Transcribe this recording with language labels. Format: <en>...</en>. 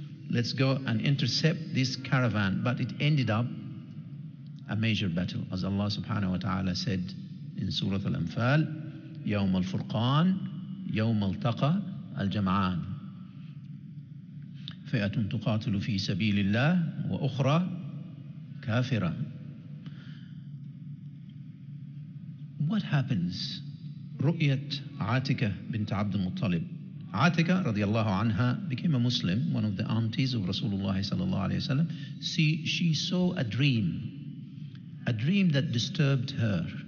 <en>Let's go and intercept this caravan. But it ended up a major battle, as Allah subhanahu wa ta'ala said in Surah Al-Anfal,</en> <ar>يوم الفرقان يوم التقى الجمعان فئة تقاتل في سبيل الله وأخرى كافرة.</ar> <en>What happens?</en> <ar>رؤية عاتكة بنت عبد المطلب.</ar> <en>عاتكة</en> <ar>رضي الله عنها</ar> <en>became a Muslim, one of the aunties of Rasulullah</en> <ar>صلى الله عليه وسلم.</ar> <en>She saw a dream that disturbed her.</en>